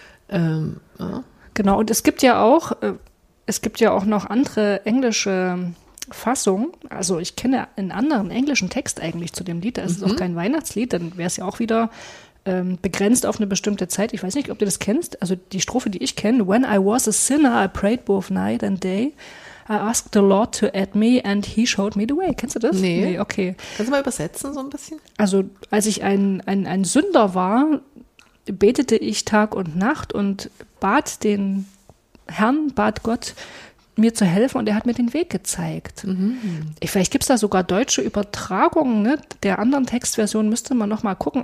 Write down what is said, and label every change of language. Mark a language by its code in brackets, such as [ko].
[de] Ja. Genau, und es gibt ja auch noch andere englische Fassungen. Also ich kenne einen anderen englischen Text eigentlich zu dem Lied. Da ist es auch kein Weihnachtslied, dann wäre es ja auch wieder begrenzt auf eine bestimmte Zeit. Ich weiß nicht, ob du das kennst. Also die Strophe, die ich kenne, [en] When I was a sinner, I prayed both night and day. I asked the Lord to add me and he showed me the way. [de] Kennst du das? Nee, okay. Kannst du mal übersetzen so ein bisschen? Also als ich ein Sünder war, betete ich Tag und Nacht und bat den Herrn, bat Gott, mir zu helfen und er hat mir den Weg gezeigt. Mhm. Vielleicht gibt es da sogar deutsche Übertragungen, ne? Der anderen Textversion müsste man nochmal gucken.